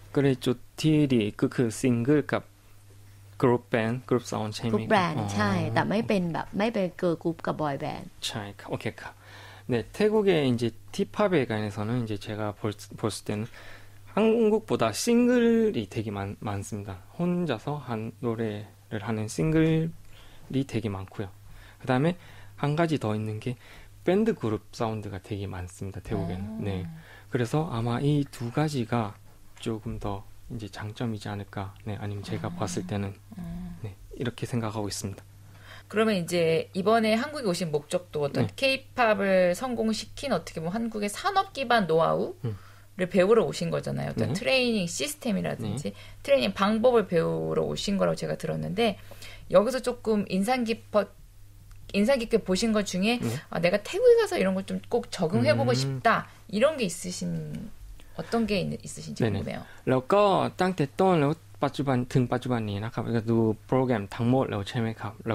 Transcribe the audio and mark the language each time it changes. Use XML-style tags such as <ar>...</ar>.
<th>ก็เลยจุดที่ดีก็คือซิงเกิลกับ กรุ๊ปแบนด์กรุ๊ปซองใช่ไหมครับกรุ๊ปแบนด์ใช่แต่ไม่เป็นแบบไม่เป็นเกิร์ลกรุ๊ปกับบอยแบนด์ใช่โอเคครับ ใน</th> <ko>태국에 이제 티팝에 관해서는 이제 제가 볼 때는 한국보다 싱글이 되게 많습니다. 혼자서 한 노래를 하는 싱글이 되게 많고요. 그 다음에 한 가지 더 있는 게 밴드 그룹 사운드가 되게 많습니다. 태국에는. 네. 그래서 아마 이 두 가지가 조금 더 이제 장점이지 않을까. 네, 아니면 제가 봤을 때는 네, 이렇게 생각하고 있습니다. 그러면 이제 이번에 한국에 오신 목적도 어떤 네. K-POP을 성공시킨 어떻게 보면 한국의 산업 기반 노하우를 배우러 오신 거잖아요. 어떤 네. 트레이닝 시스템이라든지 네. 트레이닝 방법을 배우러 오신 거라고 제가 들었는데 여기서 조금 인상 깊게 보신 것 중에 네. 아, 내가 태국에 가서 이런 걸 좀 꼭 적응해보고 싶다 이런 게 있으신 어떤 게 있으신지 네네. 궁금해요. 그리고 땅 됐던</ko> <th>ปัจจุบันถึงปัจจุบันนี้นะครับก็ดู โปรแกรม</th>